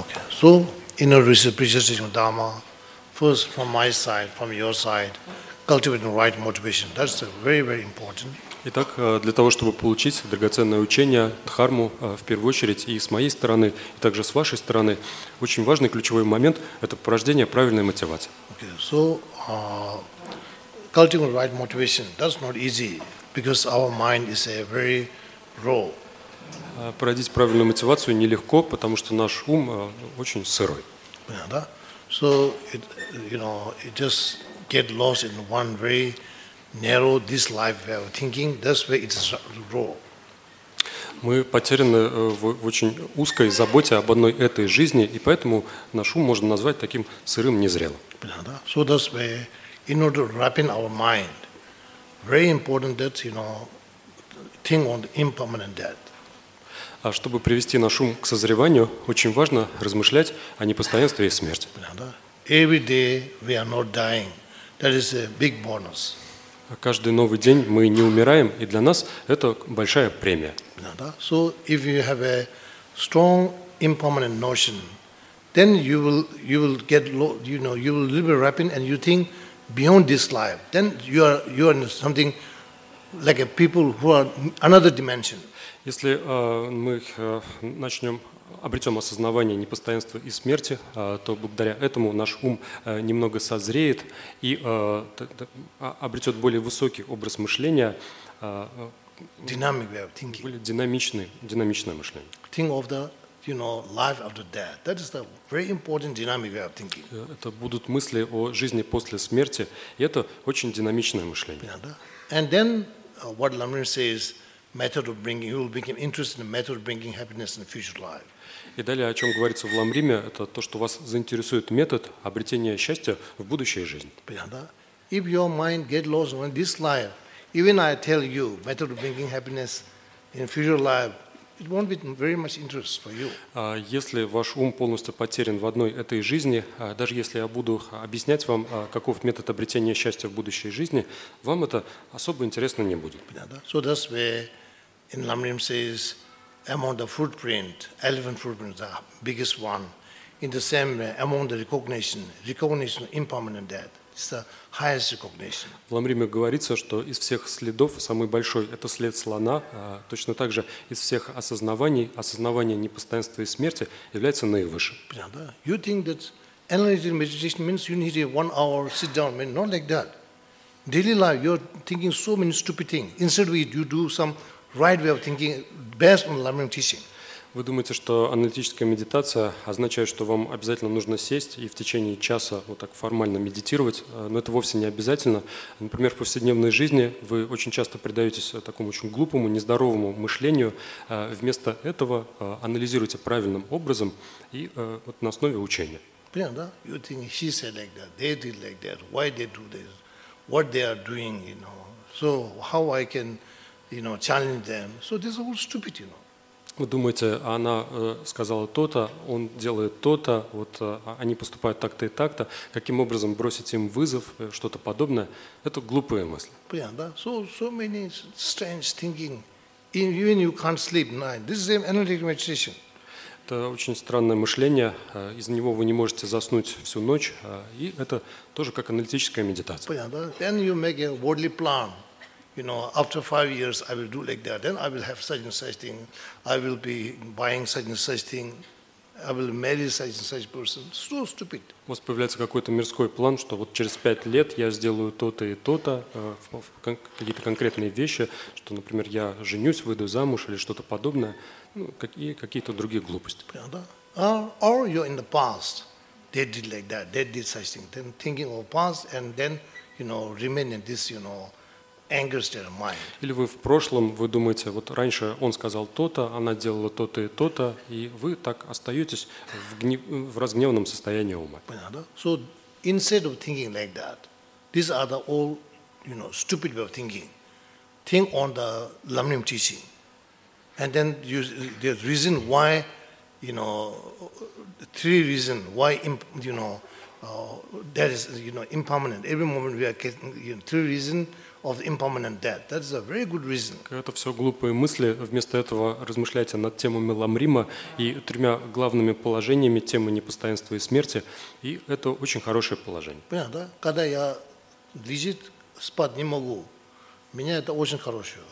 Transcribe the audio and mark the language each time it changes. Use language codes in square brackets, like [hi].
[en] So, in a reciprocation of Dharma, first from my side, from your side, cultivating the right motivation. That's very, very important. [ru] Итак, для того, чтобы получить драгоценное учение, дхарму, в первую очередь, и с моей стороны, и также с вашей стороны, очень важный ключевой момент – это порождение правильной мотивации. [en] Okay. So, cultivating right motivation, that's not easy, because our mind is a very raw. [ru] Породить правильную мотивацию нелегко, потому что наш ум очень сырой. [en] Yeah, [ru] да? [en] So, it, you know, it just get lost in one way. Narrow this life way of thinking, that's where it's raw. [ru] Мы потеряны в очень узкой заботе об одной этой жизни, и поэтому наш ум можно назвать таким сырым, незрелым. [en] So that's where, in order to wrapping our mind, very important that, you know, think on the impermanent death. [ru] А чтобы привести наш ум к созреванию, очень важно размышлять о непостоянстве и смерти. [en] Every day we are not dying. That is a big bonus. [ru] Каждый новый день мы не умираем, и для нас это большая премия. [en] Yeah, [ru] да? [en] So if you have a strong impermanent notion, then you will get, you know, you will live rapping and you think beyond this life. Then you are in something like a people who are another dimension. [ru] Если мы начнем обретем осознавание непостоянства и смерти, то благодаря этому наш ум немного созреет и обретет более высокий образ мышления, динамичное мышление. [en] Think of the, you know, life after death. That is the very important dynamic way of thinking. [ru] Это будут мысли о жизни после смерти, и это очень динамичное мышление. [en] Yeah, [ru] да? [en] And then what Lamrim says, method of bringing, you will become interested in the method of bringing happiness in the future life. [ru] И далее, о чем говорится в Ламриме, это то, что вас заинтересует метод обретения счастья в будущей жизни. Если ваш ум полностью потерян в одной этой жизни, даже если я буду объяснять вам, каков метод обретения счастья в будущей жизни, вам это особо интересно не будет. [en] So that's where in Lamrim says, among the footprint, elephant footprint, the biggest one, in the same way, among the recognition of impermanent death, it's the highest recognition. [ru] В Ламриме говорится, что из всех следов самый большой – это след слона. Точно так же из всех осознавание непостоянства и смерти является наивысшим. [en] You think that analytic meditation means you need a 1 hour sit-down? Not like that. Daily life, you're thinking so many stupid things. Instead of it, you do some right way of thinking, based on Lamrim teaching. [ru] Вы думаете, что аналитическая медитация означает, что вам обязательно нужно сесть и в течение часа вот так формально медитировать, но это вовсе не обязательно. Например, в повседневной жизни вы очень часто предаетесь такому очень глупому, нездоровому мышлению. Вместо этого анализируйте правильным образом и вот на основе учения. Понятно, да? [en] You think she said like that, they did like that, why they do this, what they are doing, you know. So how I can, you know, challenge them. So this is all stupid, you know. [ru] Вы думаете, она сказала то-то, он делает то-то, вот они поступают так-то и так-то. Каким образом бросить им вызов, что-то подобное? Это глупые мысли. Понятно, да? [en] So many strange thinking. Even you can't sleep at night. This is an analytic meditation. [ru] Это очень странное мышление. Из-за него вы не можете заснуть всю ночь. И это тоже как аналитическая медитация. Понятно, да? [en] Then you make a worldly plan. You know, after 5 years, I will do like that. Then I will have such and such thing. I will be buying such and such thing. I will marry such and such person. So stupid. [ru] У вас появляется какой-то мирской план, что вот через 5 лет я сделаю то-то и то-то, какие-то конкретные вещи, что, например, я женюсь, выйду замуж или что-то подобное, и какие-то другие глупости. [en] Or you're in the past. They did like that. They did such thing. Then thinking of past and then, you know, remaining this, you know, [ru] или вы в прошлом, вы думаете, вот раньше он сказал то-то, она делала то-то и то-то, и вы так остаетесь в разгневанном состоянии ума. [en] So instead of thinking like that, these are the all, you know, stupid way of thinking. Think on the Lamrim teaching, and then the reason why, you know, the three reasons why, you know, that is, you know, impermanent. Every moment we are getting, you know, three reasons of impermanent death. That is a very good reason. [ru] Это все глупые мысли. Вместо этого размышляйте над темой Меламрима и тремя главными положениями темы непостоянства и смерти. И это очень хорошее положение. Понятно, да? Когда я лежит, спать не могу, меня это очень хорошее.